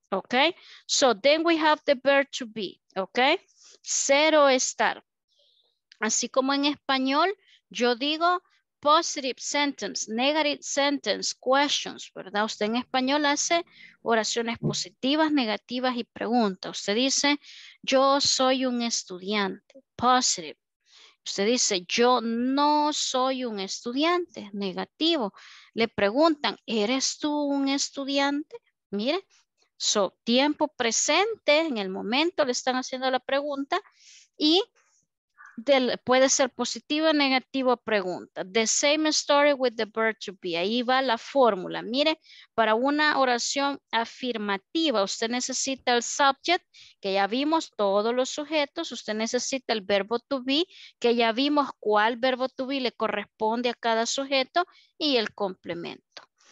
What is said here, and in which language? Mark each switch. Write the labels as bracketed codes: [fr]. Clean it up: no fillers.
[en] Ok, so then we have the verb to be. [es] Ok, ser o estar. Así como en español, yo digo [en] positive sentence, negative sentence, [es] questions, ¿verdad? Usted en español hace oraciones positivas, negativas y preguntas. Usted dice, yo soy un estudiante, positive. Usted dice, yo no soy un estudiante, negativo. Le preguntan, ¿eres tú un estudiante? Mire, so, tiempo presente, en el momento le están haciendo la pregunta y puede ser positiva o negativa pregunta. [en] The same story with the verb to be. [es] Ahí va la fórmula. Mire, para una oración afirmativa, usted necesita el subject, que ya vimos todos los sujetos. Usted necesita el verbo to be, que ya vimos cuál verbo to be le corresponde a cada sujeto, y el complemento.